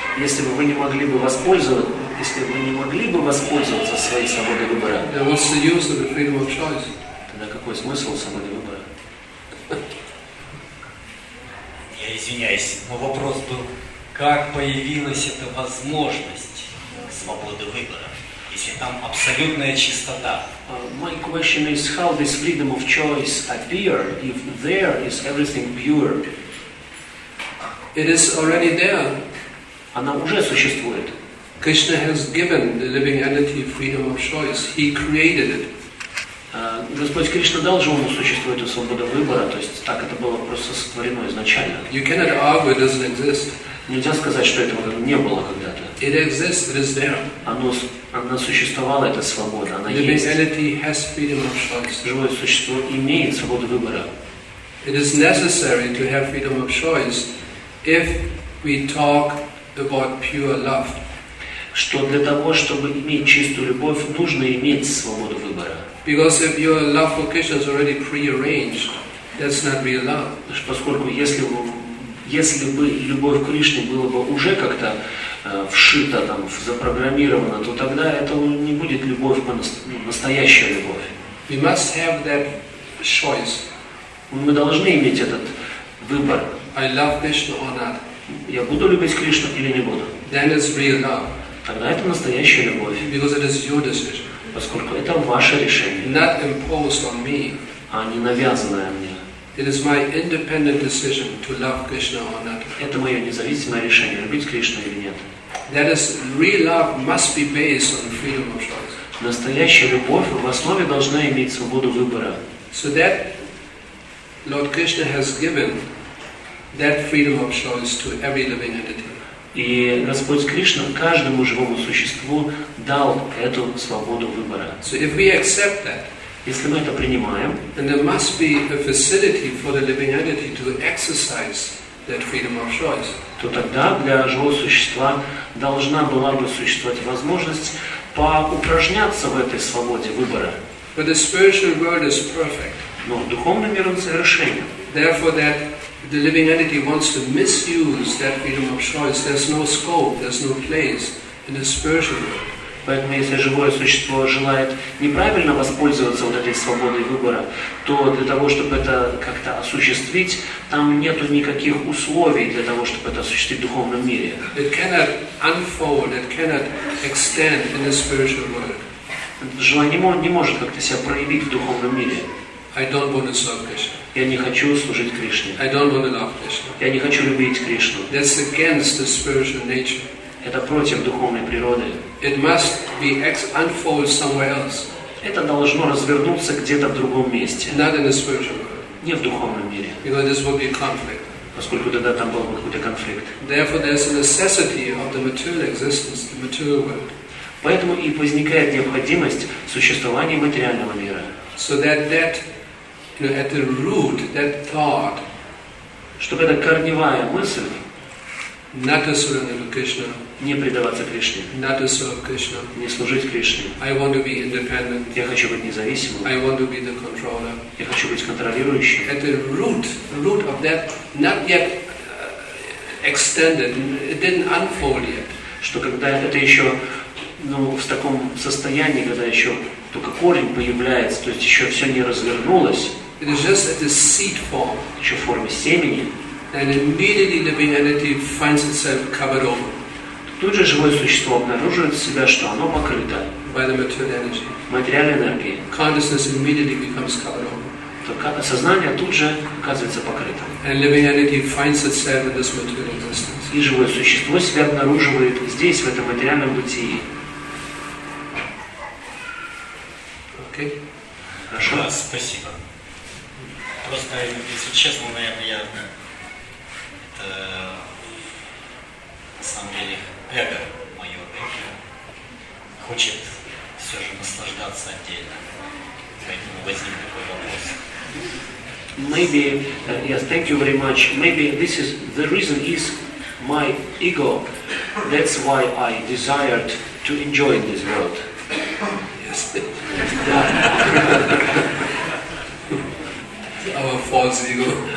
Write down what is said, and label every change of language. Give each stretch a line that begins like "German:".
Russian: если бы вы не могли бы воспользоваться своей свободой выбора,
English: then what's the use of the freedom of choice?
Russian: Тогда какой смысл свободы выбора? Я извиняюсь, но вопрос был, как появилась эта возможность свободы выбора? Если там абсолютная чистота.
English: My question is, how this freedom of choice appear if there is everything pure? It is already there.
Russian: она уже существует.
English: Krishna has given the living entity freedom of choice. He created it.
Russian: Господь Кришна дал живому существу эту свободу выбора, то есть так это было просто сотворено изначально.
English: You cannot argue it doesn't exist.
Russian: Нельзя сказать, что этого не было когда-то.
English: It exists, it is there.
Russian: Она существовала, эта свобода, она
English: living
Russian: есть.
English: Living entity has freedom of choice.
Russian: Живое существо имеет свободу выбора.
English: It is necessary to have freedom of choice if we talk about pure love.
Russian: Что для того, чтобы иметь чистую любовь, нужно иметь свободу выбора.
English: Because if your love for Krishna is already pre-arranged, that's not real love.
Russian: Поскольку если бы любовь к Кришне была бы уже как-то вшита, там, запрограммирована, то тогда это не будет любовь, настоящая любовь.
English: We must have that choice.
Russian: Мы должны иметь этот выбор.
English: I love Krishna or not.
Russian: Я буду любить Кришну или не буду.
English: Then it's real love.
Russian: Тогда это настоящая любовь.
English: Because it is your decision.
Russian: Поскольку это ваше решение.
English: Not imposed on me.
Russian: А не навязанное мне.
English: It is my independent decision to love Krishna or not.
Russian: Это мое независимое решение, любить Кришну или нет.
English: That is, real love must be based on freedom of choice.
Russian: Настоящая любовь в основе должна иметь свободу выбора.
English: So that Lord Krishna has given that freedom of choice to every living entity.
Russian: И Господь Кришна каждому живому существу дал эту свободу выбора.
English: So if we accept that,
Russian: если мы это принимаем,
English: then there must be a facility for the living entity to exercise that freedom of choice.
Russian: То тогда для живого существа должна была бы существовать возможность поупражняться в этой свободе выбора.
English: But the spiritual world is perfect.
Russian: Но духовный мир он совершенен.
English: Therefore that the living entity wants to misuse that freedom of choice. There's no scope, there's no place in the spiritual world.
Russian: Поэтому если живое существо желает неправильно воспользоваться вот этой свободой выбора, то для того, чтобы это как-то осуществить, там нету никаких условий для того, чтобы это осуществить в духовном мире.
English: It cannot unfold, it cannot extend in the spiritual world.
Russian: Желание не может как-то себя проявить в духовном мире.
English: I don't want to serve Krishna.
Russian: Я не хочу служить Кришне.
English: I don't want to love Krishna.
Russian: Я не хочу любить Кришну.
English: That's against the spiritual nature.
Russian: Это против духовной природы.
English: It must be unfold somewhere else.
Russian: Это должно развернуться где-то в другом месте.
English: Not in the spiritual world.
Russian: Не в духовном мире.
English: Because this would be a conflict.
Russian: Поскольку тогда там был бы какой-то конфликт.
English: Therefore, there's a necessity of the material existence, the material world.
Russian: Поэтому и возникает необходимость существования материального мира.
English: So that you know, at the root, that thought,
Russian: чтобы эта корневая мысль,
English: not to surrender Krishna,
Russian: не предаваться Кришне,
English: not to serve Krishna,
Russian: не служить Кришне,
English: I want to be independent,
Russian: я хочу быть независимым,
English: I want to be the controller,
Russian: я хочу быть контролирующим.
English: At the root of that, not yet extended, it didn't unfold yet.
Russian: Что когда это еще, ну, в таком состоянии, когда еще только корень появляется, то есть еще все не развернулось.
English: It is just at the seed form.
Russian: Еще в форме семени.
English: And immediately the living entity finds itself covered over.
Russian: Тут же живое существо обнаруживает себя, что оно покрыто.
English: By the material energy.
Russian: Материальной энергией.
English: Consciousness immediately becomes covered over.
Russian: То сознание тут же оказывается покрытым.
English: And living entity finds itself in this material existence.
Russian: И живое существо себя обнаруживает здесь, в этом материальном бытии.
English: Okay.
Russian: Хорошо. Да, спасибо. Просто, если честно, наверное, я это, на самом деле, эго мое, эго хочет все же наслаждаться отдельно. Поэтому возник такой вопрос.
English: Maybe, yes, thank you very much. Maybe this is, the reason is my ego. That's why I desired to enjoy this world.
Russian: Да.
English: Our false ego.